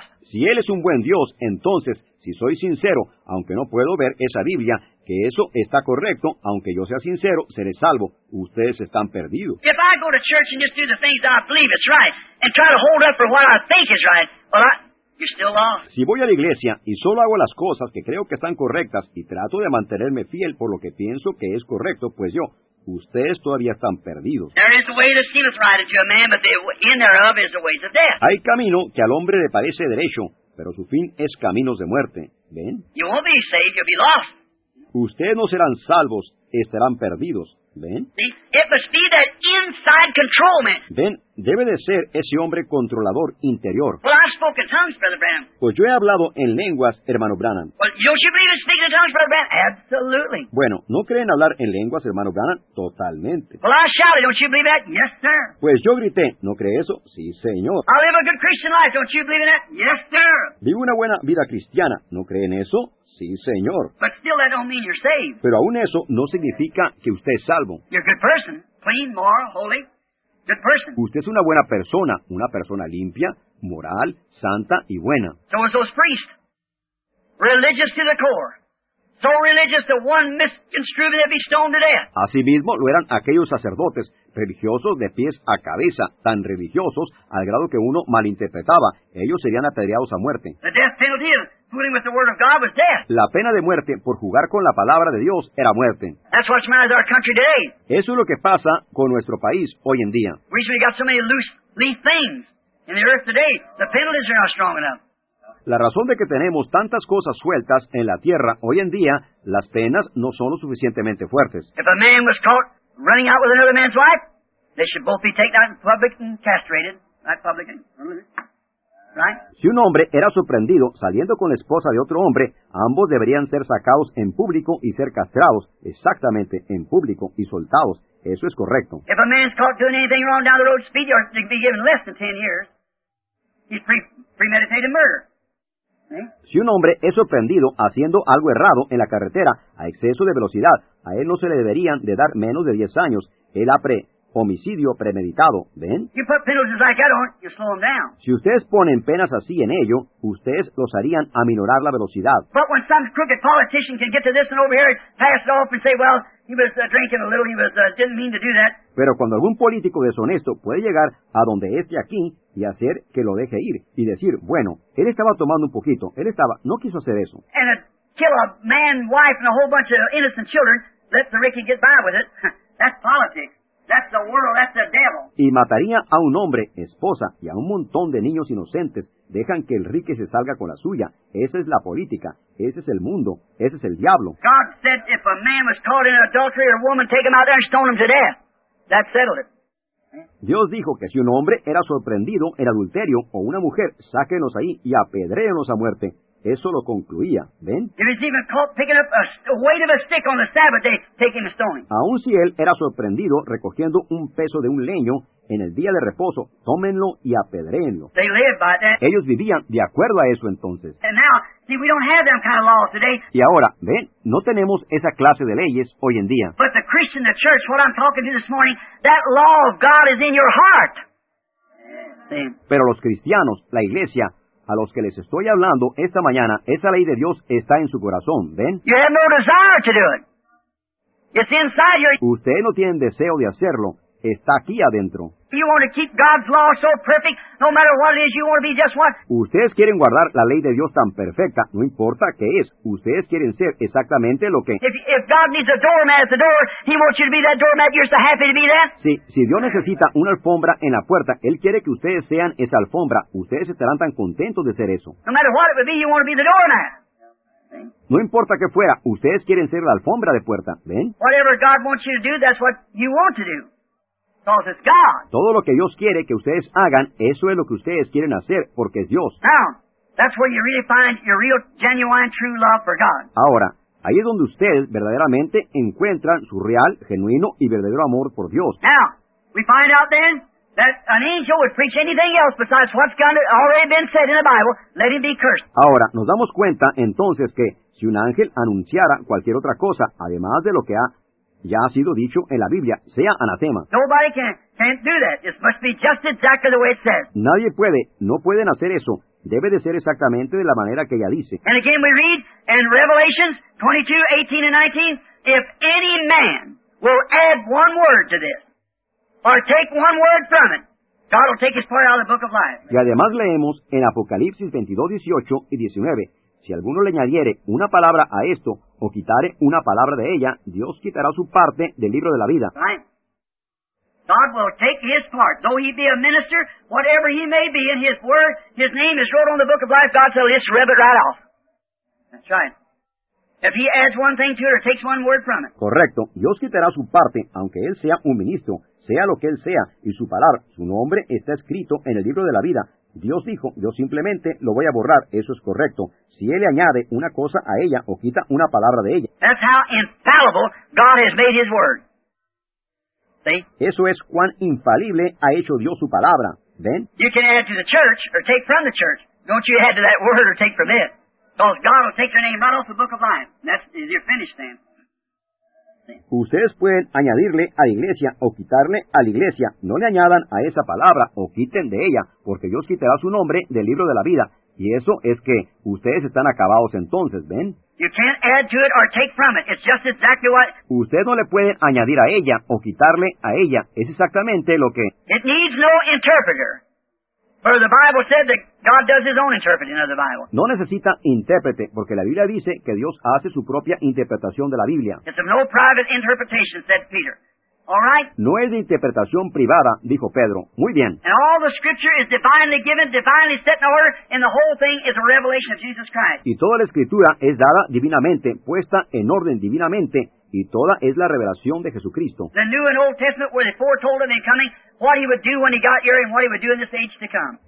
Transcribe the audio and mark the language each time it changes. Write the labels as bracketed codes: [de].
[es] Si Él es un buen Dios, entonces, si soy sincero, aunque no puedo ver esa Biblia, que eso está correcto, aunque yo sea sincero, seré salvo. Ustedes están perdidos. [en] If I go to church and just do the things that I believe is right, and try to hold up for what I think is right, well, you're still lost. [es] Si voy a la iglesia y solo hago las cosas que creo que están correctas y trato de mantenerme fiel por lo que pienso que es correcto, pues yo, ustedes todavía están perdidos. [en] There is a way that seemeth right unto a man, but the end thereof is the ways of death. [es] Hay camino que al hombre le parece derecho, pero su fin es caminos de muerte. ¿Ven? [en] You won't be saved, you'll be lost. [es] Ustedes no serán salvos, estarán perdidos. ¿Ven? [en] It must be that inside control man. [es] ¿Ven? Debe de ser ese hombre controlador interior. [en] Well, I've spoken tongues, Brother Branham. [es] Pues yo he hablado en lenguas, hermano Branham. [en] Well, don't you believe in speaking in tongues, Brother Branham? Absolutely. [es] Bueno, ¿no creen hablar en lenguas, hermano Branham? Totalmente. [en] Well, I shouted, don't you believe that? Yes, sir. [es] Pues yo grité, ¿no cree eso? Sí, señor. [en] I live a good Christian life, don't you believe in that? Yes, sir. [es] Vivo una buena vida cristiana, ¿no creen eso? Sí, señor. [en] But still that don't mean you're saved. [es] Pero aún eso no significa que usted es salvo. [en] You're a good person, clean, moral, holy. Good person. [es] Usted es una persona limpia, moral, santa y buena. [en] So is those priests. Religious to the core. So religious that one misconstrued they'd be stoned to death. [es] Asimismo lo eran aquellos sacerdotes, religiosos de pies a cabeza, tan religiosos al grado que uno malinterpretaba. Ellos serían apedreados a muerte. [en] The death penalty of fooling with the word of God was death. [es] La pena de muerte por jugar con la palabra de Dios era muerte. [en] That's what's matter with our country today. [es] Eso es lo que pasa con nuestro país hoy en día. [en] We've got so many loose-leaf things in the earth today, the penalties are not strong enough. [es] La razón de que tenemos tantas cosas sueltas en la tierra hoy en día, las penas no son lo suficientemente fuertes. [en] If a man was caught running out with another man's wife, they should both be taken out in public and castrated. Right, publican? Right? [es] Si un hombre era sorprendido saliendo con la esposa de otro hombre, ambos deberían ser sacados en público y ser castrados, exactamente, en público y soltados. Eso es correcto. [en] If a man's caught doing anything wrong down the road, speed yard, they'd be given less than 10 years. He's premeditated murder. [es] Si un hombre es sorprendido haciendo algo errado en la carretera a exceso de velocidad, a él no se le deberían de dar menos de 10 años. Él ha homicidio premeditado. ¿Ven? [en] You put penalties like that on, you slow them down. [es] Si ustedes ponen penas así en ello, ustedes los harían aminorar la velocidad. [en] But when some crooked politician can get to this and over here, pass it off and say, well, he was drinking a little, he was didn't mean to do that. [es] Pero cuando algún político deshonesto puede llegar a donde esté aquí y hacer que lo deje ir y decir, bueno, él estaba tomando un poquito, él estaba, no quiso hacer eso. [en] And kill a man, wife, and a whole bunch of innocent children, let the Ricky get by with it. That's politics. That's the world, that's the devil. [es] Y mataría a un hombre, esposa, y a un montón de niños inocentes. Dejan que el rique se salga con la suya. Esa es la política. Ese es el mundo. Ese es el diablo. [en] God said if a man was caught in adultery or a woman, take him out there and stone him to death. That settled it. [es] Dios dijo que si un hombre era sorprendido en adulterio o una mujer, sáquenos ahí y apedréenos a muerte. Eso lo concluía. ¿Ven? [en] If he's even caught picking up a weight of a stick on the Sabbath day, take him to stoning. [es] Aun si él era sorprendido recogiendo un peso de un leño en el día de reposo, tómenlo y apedréenlo. [en] They live by that. [es] Ellos vivían de acuerdo a eso entonces. [en] And now, see, we don't have them kind of laws today. [es] Y ahora, ¿ven? No tenemos esa clase de leyes hoy en día. [en] But the Christian, the church, what I'm talking to this morning, that law of God is in your heart. [es] Pero los cristianos, la iglesia, a los que les estoy hablando esta mañana, esa ley de Dios está en su corazón, ¿ven? [en] You have no desire to do it. It's inside your... [es] Ustedes no tienen deseo de hacerlo. Está aquí adentro. [en] You want to keep God's law so perfect, no matter what it is, you want to be just what? [es] Ustedes quieren guardar la ley de Dios tan perfecta, no importa qué es. Ustedes quieren ser exactamente lo que... [en] If God needs a doormat at the door, he wants you to be that doormat, you're so happy to be there. [es] Si Dios necesita una alfombra en la puerta, él quiere que ustedes sean esa alfombra. Ustedes estarán tan contentos de ser eso. [en] No matter what it would be, you want to be the doormat. [es] No importa qué fuera, ustedes quieren ser la alfombra de puerta, ¿ven? [en] Whatever God wants you to do, that's what you want to do. Because it's God. [es] Todo lo que Dios quiere que ustedes hagan, eso es lo que ustedes quieren hacer, porque es Dios. [en] Now, that's where you really find your real, genuine, true love for God. [es] Ahora, ahí es donde ustedes verdaderamente encuentran su real, genuino y verdadero amor por Dios. [en] Now, we find out then that an angel would preach anything else besides what's already been said in the Bible, let him be cursed. [es] Ahora, nos damos cuenta entonces que si un ángel anunciara cualquier otra cosa, además de lo que ha ya ha sido dicho en la Biblia, sea anatema. [en] Nobody can't do that. It must be just exactly the way it says. [es] Nadie puede, no pueden hacer eso. Debe de ser exactamente de la manera que ella dice. [en] And again we read in Revelations 22:18-19, if any man will add one word to this, or take one word from it, God will take his part out of the book of life. [es] Y además leemos en Apocalipsis 22:18-19, si alguno le añadiere una palabra a esto, o quitare una palabra de ella, Dios quitará su parte del libro de la vida. [en] God will take his part, though he be a minister, whatever he may be in his word, his name is wrote on the book of life, God shall just rip it right off. That's right. If he adds one thing to it or takes one word from it. [es] Correcto. Dios quitará su parte, aunque él sea un ministro, sea lo que él sea, y su palabra, su nombre, está escrito en el libro de la vida. Dios dijo, yo simplemente lo voy a borrar, eso es correcto. Si él le añade una cosa a ella o quita una palabra de ella. [en] That's how infallible God has made his word. See? [es] Eso es cuán infalible ha hecho Dios su palabra. ¿Ven? [en] You can add to the church or take from the church. Don't you add to that word or take from it. Because God will take your name right off the book of life. That's, you're finished then. [es] Ustedes pueden añadirle a la iglesia o quitarle a la iglesia. No le añadan a esa palabra o quiten de ella, porque Dios quitará su nombre del libro de la vida. Y eso es que ustedes están acabados entonces, ¿ven? [en] You can't add to it or take from it. It's just exactly what... [es] Ustedes no le pueden añadir a ella o quitarle a ella. Es exactamente lo que... [en] It needs no interpreter. For the Bible said that God does his own interpreting of the Bible. [es] No necesita intérprete, porque la Biblia dice que Dios hace su propia interpretación de la Biblia. [en] It's of no private interpretation, said Peter. All right? [es] No es de interpretación privada, dijo Pedro. Muy bien. [en] And all the scripture is divinely given, divinely set in order, and the whole thing is a revelation of Jesus Christ. [es] Y toda la escritura es dada divinamente, puesta en orden divinamente, y toda es la revelación de Jesucristo. [en] The New and Old Testament were the foretold of the coming, what he would do when he got here and what he would do in this age to come.